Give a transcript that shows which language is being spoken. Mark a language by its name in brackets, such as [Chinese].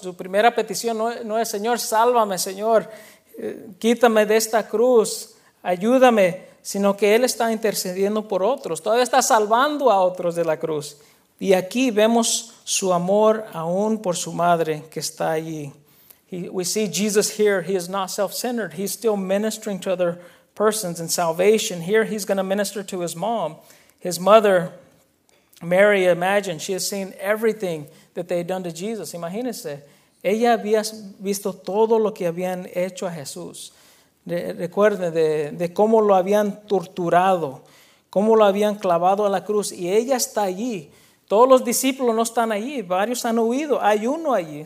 [Spanish] Su primera petición no es: Señor, sálvame, Señor, quítame de esta cruz, ayúdame, sino que él está intercediendo por otros. Todavía está salvando a otros de la cruz. Y aquí vemos su amor aún por su madre que está allí. [English] We see Jesus here. He is not self-centered. He's still ministering to other persons in salvation. Here he's going to minister to his mom. His mother, Mary, imagine, she has seen everything that they had done to Jesus. [Spanish] Imagínense, ella había visto todo lo que habían hecho a Jesús. Recuerde de cómo lo habían torturado, cómo lo habían clavado a la cruz. Y ella está allí. Todos los discípulos no están allí. Varios han huido. Hay uno allí.